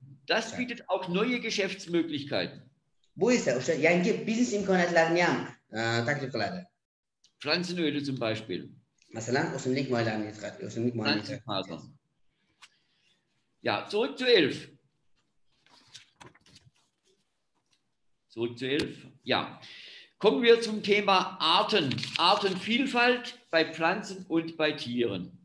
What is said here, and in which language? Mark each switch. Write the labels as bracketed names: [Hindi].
[German] Das bietet auch neue Geschäftsmöglichkeiten. [Uzbek] Bu esa o'sha yangi biznes imkoniyatlarini ham taklif qiladi. [German] Pflanzenöl zum Beispiel. [Uzbek] Masalan, o'simlik moylarini yetkazadi, o'simlik moylarini. [German] Ja, zurück zu 11. Zurück zu 11. Ja. Kommen wir zum Thema Arten. Artenvielfalt bei Pflanzen und bei Tieren.